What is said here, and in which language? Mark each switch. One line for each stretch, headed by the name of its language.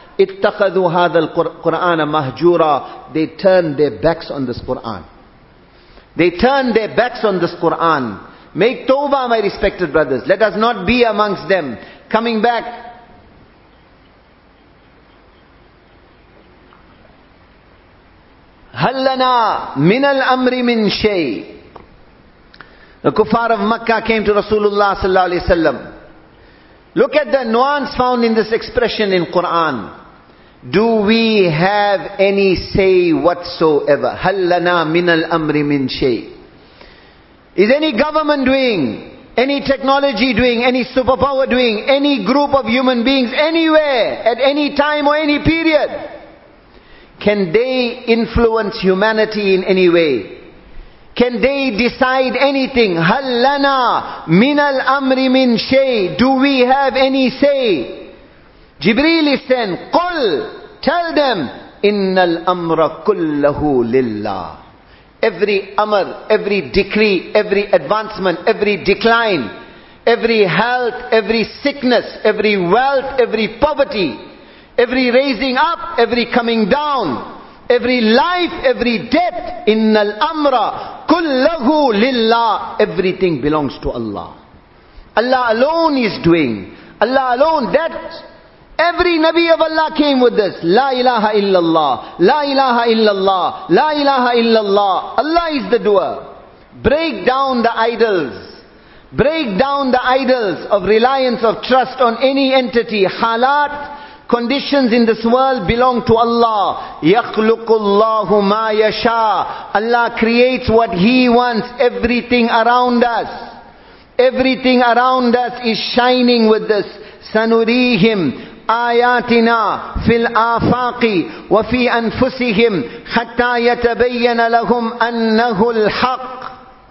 Arabic: اتخذوا هذا القرآن مهجورا.
English: They turn their backs on this Quran. They turn their backs on this Quran. Make tawbah, my respected brothers. Let us not be amongst them. Coming back.
Arabic: هل لنا من الأمر من شيء.
English: The kuffar of Makkah came to Rasulullah sallallahu alaihi wasallam. Look at the nuance found in this expression in Quran. Do we have any say whatsoever?
Arabic: هَلْ لَنَا مِنَ الْأَمْرِ مِنْ شَيْءٍ.
English: Is any government doing, any technology doing, any superpower doing, any group of human beings anywhere, at any time or any period, can they influence humanity in any way? Can they decide anything?
Arabic: هَلْ لَنَا مِنَ الْأَمْرِ مِنْ شَيْءٍ.
English: Do we have any say? Jibreel is saying, قُلْ. Tell them,
Arabic: إِنَّ الْأَمْرَ كُلَّهُ لِلَّهِ.
English: Every amr, every decree, every advancement, every decline, every health, every sickness, every wealth, every poverty, every raising up, every coming down, every life, every death,
Arabic: إِنَّ الْأَمْرَ كُلَّهُ لِلَّهِ.
English: Everything belongs to Allah. Allah alone is doing. Allah alone, that... Every Nabi of Allah came with this.
Arabic: La ilaha illallah. La ilaha illallah. La ilaha illallah.
English: Allah is the doer. Break down the idols. Break down the idols of reliance, of trust on any entity. Halat, conditions in this world belong to Allah.
Arabic: Yakhluqullahu ma yasha.
English: Allah creates what He wants. Everything around us. Everything around us is shining with this.
Arabic: Sanurihim. آياتنا في الآفاق وفي أنفسهم حتى يتبين لهم أنه الحق.